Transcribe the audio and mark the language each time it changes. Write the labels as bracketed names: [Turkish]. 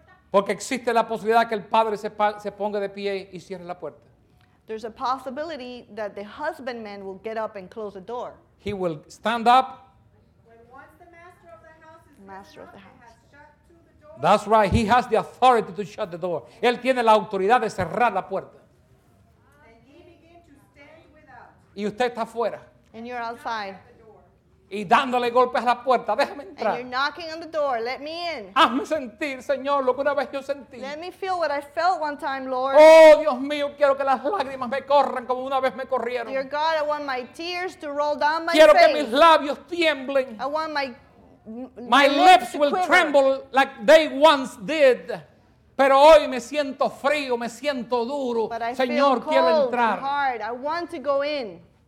[Spanish] Porque existe la posibilidad que el padre se ponga de pie y cierre la puerta. [English] There's a possibility that the husbandman will get up and close the door. He will stand up. When once the master of the house is master of the house. That's right. He has the authority to shut the door. [Spanish] Él tiene la autoridad de cerrar la puerta. [English] And he begin to stand without. [Spanish] Y usted está fuera. [English] And you're outside. [Spanish] Y dándole golpes a la puerta, déjame entrar. [English] And you're knocking on the door, let me in. [Spanish] Hazme sentir, Señor, lo que una vez yo sentí. [English] Let me feel what I felt one time, Lord. [Spanish] Oh, Dios mío, quiero que las lágrimas me corran como una vez me corrieron. [English] Dear God, I want my tears to roll down my face. [Spanish] Quiero que mis labios tiemblen. [English] I want my My lips will tremble like they once did. [Spanish] Pero hoy me siento frío, me siento duro. Señor, quiero entrar. [English] But I feel cold and hard. I want to go in.